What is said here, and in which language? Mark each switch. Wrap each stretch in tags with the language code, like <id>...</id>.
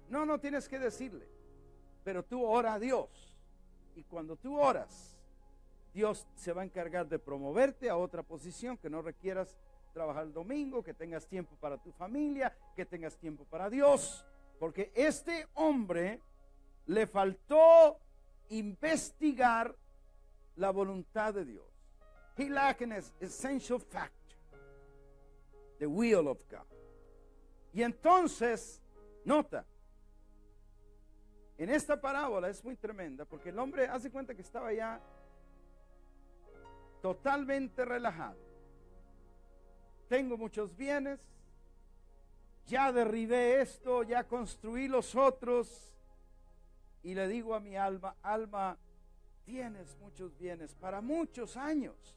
<es>No, no tienes que decirle. Pero tú ora a Dios. Y cuando tú oras, Dios se va a encargar de promoverte a otra posición, que no requieras trabajar el domingo, que tengas tiempo para tu familia, que tengas tiempo para Dios. Porque este hombre le faltó investigar la voluntad de Dios.</es> <en>He lacked an essential factor, the will of God.</en> <es>Y entonces, nota, en esta parábola es muy tremenda, porque el hombre hace cuenta que estaba ya totalmente relajado. Tengo muchos bienes, ya derribé esto, ya construí los otros, y le digo a mi alma, alma, tienes muchos bienes para muchos años.</es>